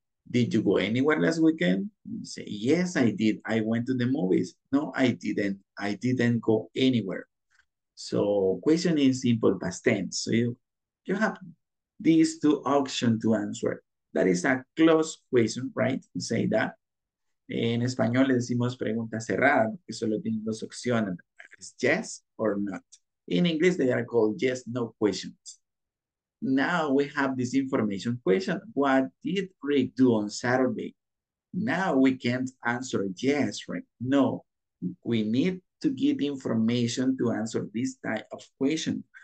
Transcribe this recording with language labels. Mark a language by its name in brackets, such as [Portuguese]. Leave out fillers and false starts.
[English] Did you go anywhere last weekend? Say yes, I did. I went to the movies. No, I didn't. I didn't go anywhere. So question in simple past tense. So you have these two options to answer. That is a closed question, right? Say that. [Spanish] En español le decimos pregunta cerrada, que solo tiene dos opciones. [English] Is yes or not. In English, they are called yes, no questions. Now we have this information question. What did Rick do on Saturday? Now we can't answer yes, right? No, we need to get information to answer this type of question.